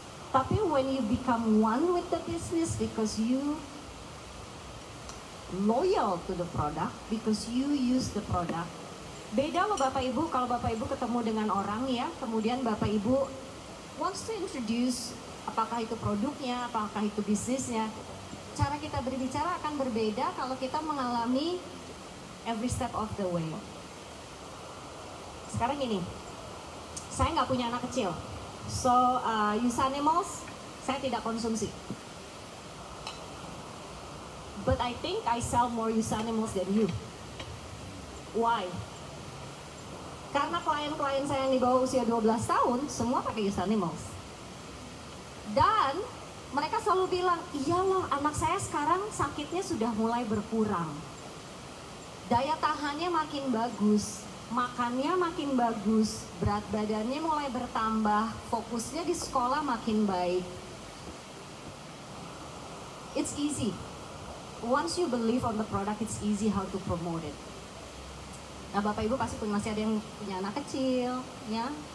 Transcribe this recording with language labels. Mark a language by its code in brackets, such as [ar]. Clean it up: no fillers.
[en] Tapi when you become one with the business because you loyal to the product, because you use the product. [id] Beda loh Bapak Ibu, kalau Bapak Ibu ketemu dengan orang ya, kemudian Bapak Ibu [en] wants to introduce [id] apakah itu produknya, apakah itu bisnisnya. Cara kita berbicara akan berbeda kalau kita mengalami [en] every step of the way. [id] Sekarang ini, saya nggak punya anak kecil. So, Yusanimals, saya tidak konsumsi. [en] But I think I sell more Yusanimals than you. Why? [id] Karena klien-klien saya yang di bawah usia 12 tahun, semua pakai Yusanimals. Dan mereka selalu bilang, iyalah anak saya sekarang sakitnya sudah mulai berkurang. Daya tahannya makin bagus, makannya makin bagus, berat badannya mulai bertambah, fokusnya di sekolah makin baik. [en] It's easy. Once you believe on the product, it's easy how to promote it. [id] Nah, Bapak Ibu pasti masih ada yang punya anak kecil, ya.